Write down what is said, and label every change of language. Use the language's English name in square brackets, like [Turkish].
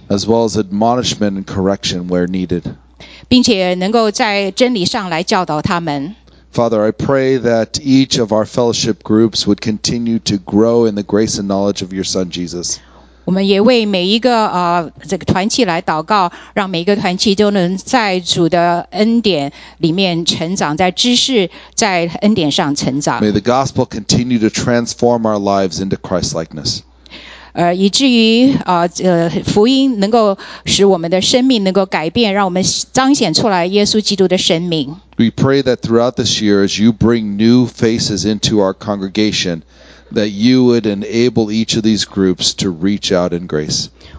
[English] as well as admonishment and correction where needed. [Chinese] 并且能够在真理上来教导他们。 [English] Father, I pray that each of our fellowship groups would continue to grow in the grace and knowledge of your Son, Jesus. [Chinese] 我们也为每一个, 这个团契来祷告, 让每一个团契都能在主的恩典里面成长, 在知识, 在恩典上成长。 [English] May the gospel continue to transform our lives into Christ-likeness. [Chinese] 以至于 福音能够使我们的生命能够改变, 让我们彰显出来耶稣基督的生命。 [English] We pray that throughout this year, as you bring new faces into our congregation, that you would enable each of these groups to reach out in grace.